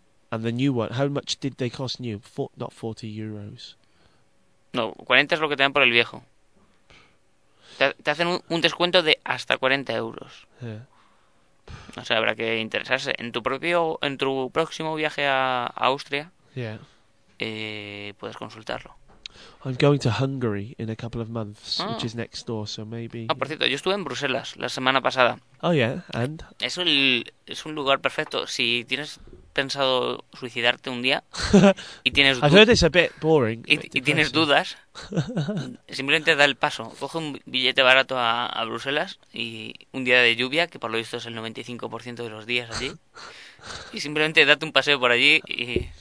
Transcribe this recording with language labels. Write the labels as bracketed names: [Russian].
[English] And the new one, how much did they cost new? Not 40 euros. [Spanish] No, 40 es lo que te dan por el viejo. Te hacen un descuento de hasta 40 euros. [English] Yeah. [Spanish] O sea, habrá que interesarse. En tu próximo viaje a Austria, [English] yeah. [Spanish] Puedes consultarlo. [English] I'm going to Hungary in a couple of months, which is next door, so maybe... [Spanish] Ah, por cierto, yo estuve en Bruselas la semana pasada. [English] Oh, yeah, and? [Spanish] Es un lugar perfecto. Si tienes pensado suicidarte un día y tienes [English] I've heard it's a bit boring, [Spanish] y tienes dudas, simplemente da el paso, coge un billete barato a Bruselas y un día de lluvia, que por lo visto es el 95% de los días allí, y simplemente date un paseo por allí y